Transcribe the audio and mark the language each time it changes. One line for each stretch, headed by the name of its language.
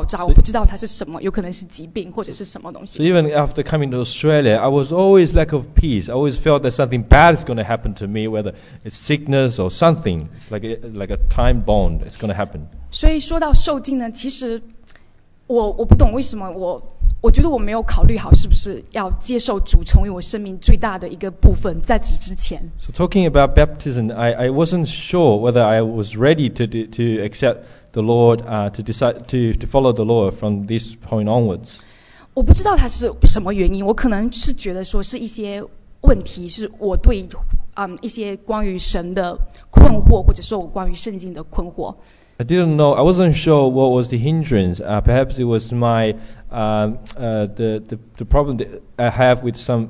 Chinese: 所以其实到了澳洲之后，我心里一直是惶恐不安的。我觉得随时都有一个定时炸弹在那边，它可能随时会爆炸，我不知道它是什么，有可能是疾病或者是什么东西。
English: So even after coming to Australia, I was always lack of peace. I always felt that something bad is going to happen to me, whether it's sickness or something. It's like a time bomb. It's going to happen.
Chinese: 所以说到受浸呢，其实我不懂为什么我觉得我没有考虑好是不是要接受主成为我生命最大的一个部分，在此之前。
English: So talking about baptism, I wasn't sure whether I was ready to accept the Lord, to decide to follow the Lord from this point onwards.
Chinese: 我不知道它是什么原因，我可能是觉得说是一些问题，是我对。一些关于神的困惑，或者说我关于圣经的困惑。
English: I didn't know. I wasn't sure what was the hindrance. Perhaps it was my the problem that I have with some.